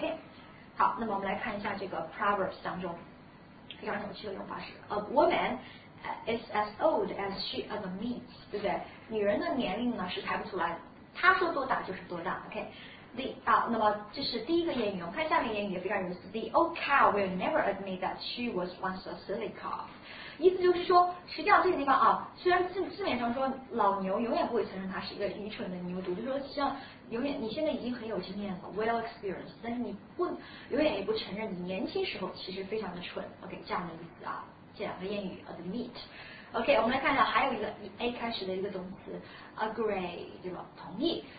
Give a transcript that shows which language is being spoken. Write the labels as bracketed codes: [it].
[zh] OK， 好，那么我们来看一下这个 Proverbs 当中非常有趣的用法是 ： [en] A woman is as old as she admits， [zh] 对不对？女人的年龄呢是猜不出来，她说多大就是多大。 OK。 The, 啊，那么这是第一个谚语，我看下面谚语也非常有意思。 [en] The old cow will never admit that she was once a silly calf。 [zh] 意思就是说，实际上这个地方啊，虽然字面上说老牛永远不会承认它是一个愚蠢的牛犊，就是说像永远你现在已经很有经验了 ， [en] well experience， [zh] 但是你不永远也不承认你年轻时候其实非常的蠢。 OK， 这样的意思啊，这两个谚语 admit。OK， 我们来看一下，还有一个以 A 开始的一个动词 agree， 对吧？同意。